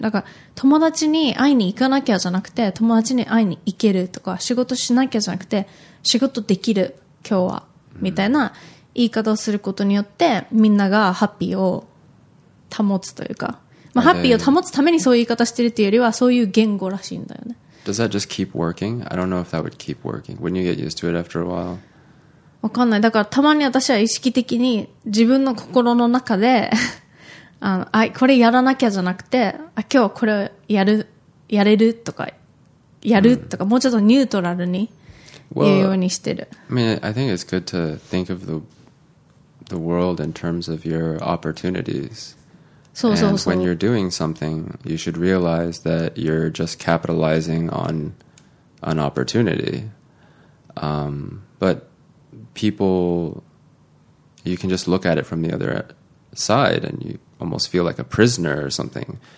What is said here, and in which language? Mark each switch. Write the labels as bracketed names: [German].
[Japanese] だから、友達に会いに行かなきゃじゃなくて、友達に会いに行けるとか、仕事しなきゃじゃなくて、仕事できる、今日は、みたいな言い方をすることによって、みんながハッピーを保つというか、まあ、ハッピーを保つためにそういう言い方してるっていうよりはそういう言語らしいんだよね。 [English] Does that just keep working? I don't know if that would keep working. Wouldn't you get used to it after a while? [Japanese] わかんない。だからたまに私は意識的に自分の心の中で、あの、あ、これやらなきゃじゃなくて、あ、今日はこれをやれるとか、やるとか、もうちょっとニュートラルに、言うようにしてる。 [English] Well, I mean, I think it's good to think of the world in terms of your opportunities. [Japanese] そうそうそう。 [English] And when you're doing something, you should realize that you're just capitalizing on an opportunity. But people, you can just look at it from the other side and you almost feel like a prisoner or something.